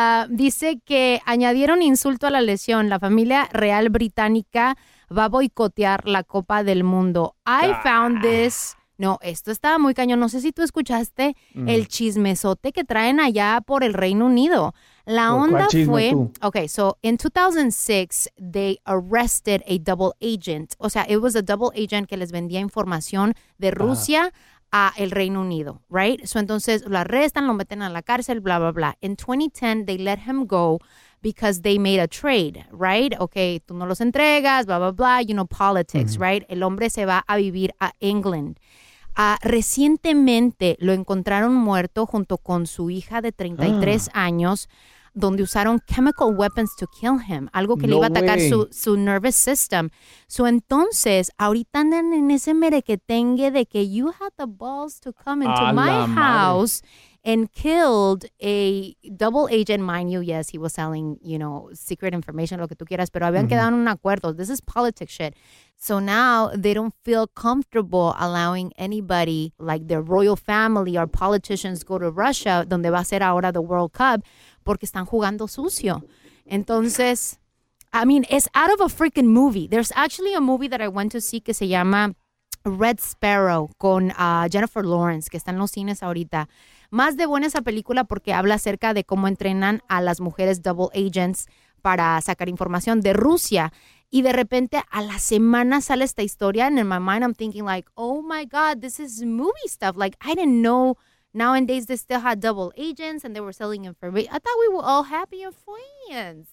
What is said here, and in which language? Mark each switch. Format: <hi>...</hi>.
<es>Dice que añadieron insulto a la lesión. La familia real británica va a boicotear la Copa del Mundo.</es> <en>I found this.</en> <es>No, esto estaba muy cañón. No sé si tú escuchaste el chismesote que traen allá por el Reino Unido. La onda fue... Tú?</es> <en>Okay, so in 2006, they arrested a double agent.</en> <es>O sea,</es> <en>it was a double agent</en> <es>que les vendía información de Rusia a el Reino Unido, right? So entonces lo arrestan, lo meten a la cárcel, bla, bla, bla.</es> <en>In 2010, they let him go because they made a trade, right? Okay,</en> <es>tú no los entregas,</es> <en>bla, bla, bla. You know, politics, right?</en> <es>El hombre se va a vivir a England. Recientemente lo encontraron muerto junto con su hija de 33 años, donde usaron</es> <en>chemical weapons to kill him,</en> <es>algo que no le iba a atacar</es> <en>way. su nervous system. So entonces,</en> <es>ahorita andan en ese merequetengue de que</es> <en>you had the balls to come into my house and killed a double agent, mind you, yes, he was selling, you know, secret information,</en> <es>lo que tú quieras, pero habían quedado en un acuerdo.</es> <en>This is politics shit. So now they don't feel comfortable allowing anybody like their royal family or politicians go to Russia,</en> <es>donde va a ser ahora</es> <en>the World Cup,</en> <es>porque están jugando sucio.</es> <en>Entonces, I mean, it's out of a freaking movie. There's actually a movie that I went to see que se llama Red Sparrow con Jennifer Lawrence,</en> <es>que está en los cines ahorita. Más de buena esa película porque habla acerca de cómo entrenan a las mujeres</es> <en>double agents</en> <es>para sacar información de Rusia. Y de repente a la semana sale esta historia,</es> <en>and in my mind I'm thinking like, oh my God, this is movie stuff. Like, I didn't know nowadays they still had double agents and they were selling information. I thought we were all happy and friends.</en>